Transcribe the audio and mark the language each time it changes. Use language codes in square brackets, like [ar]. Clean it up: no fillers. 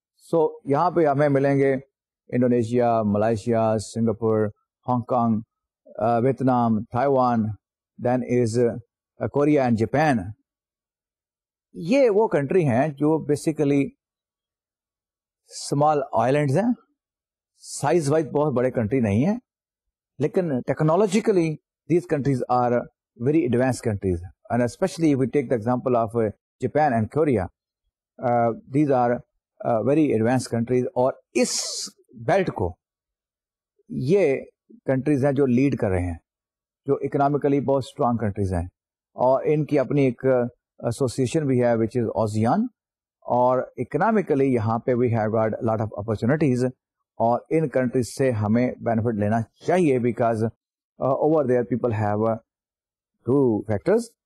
[ur] سو یہاں پہ ہمیں ملیں گے Indonesia, Malaysia, Singapore, Hong Kong, Vietnam, Taiwan, then is Korea and Japan. یہ وہ کنٹری ہیں جو بیسیکلی سمال آئلینڈز ہیں, سائز وائز بہت بڑے کنٹری نہیں ہیں, لیکن technologically [en] These countries are very advance countries. And especially we take the example of Japan and Korea, these are very advance countries. [ur] اور اس بیلٹ کو یہ کنٹریز ہیں جو لیڈ کر رہے ہیں, جو اکنامیکلی بہت اسٹرانگ کنٹریز ہیں, اور ان کی اپنی ایک ایسوسیشن بھی ہے [en] Which is ASEAN. [ur] اور اکنامیکلی یہاں پہ [en] we have got lot of opportunities, [ur] اور ان کنٹریز سے ہمیں بینیفٹ لینا چاہیے [en] Because over there people have two factors.